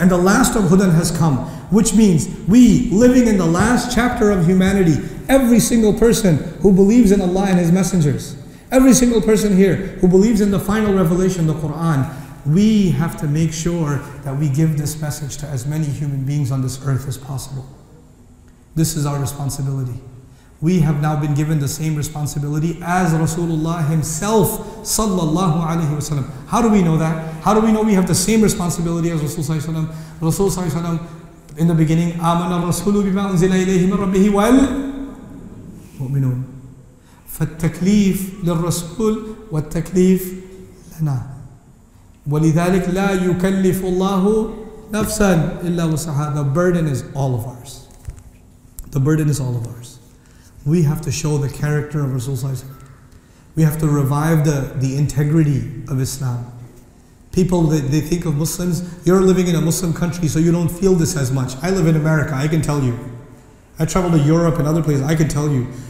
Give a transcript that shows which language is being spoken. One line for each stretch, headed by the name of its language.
English: And the last of Hudan has come. Which means, we living in the last chapter of humanity, every single person who believes in Allah and His messengers, every single person here who believes in the final revelation, the Quran, we have to make sure that we give this message to as many human beings on this earth as possible. This is our responsibility. We have now been given the same responsibility as Rasulullah himself, sallallahu alaihi wasallam. How do we know that? How do we know we have the same responsibility as Rasulullah sallallahu alaihi wasallam?
Arabic: Rasulullah sallallahu alaihi wasallam,
English: in the beginning,
Arabic: آمَنَ الرَّسُولُ بِمَا أُنزِلَ إِلَيْهِ مِنْ رَبِّهِ وَالْمُؤْمِنُونَ فَالتَّكْلِيفُ لِلرَّسُولِ وَالتَّكْلِيفُ لَنَا وَلِذَلِكَ لَا يُكَلِّفُ اللَّهُ نَفْسًا إِلَّا وُسْعَهَا.
English: The burden is all of ours. The burden is all of ours. We have to show the character of Rasulullah. We have to revive the integrity of Islam. People, they think of Muslims, you're living in a Muslim country, so you don't feel this as much. I live in America, I can tell you. I travel to Europe and other places, I can tell you.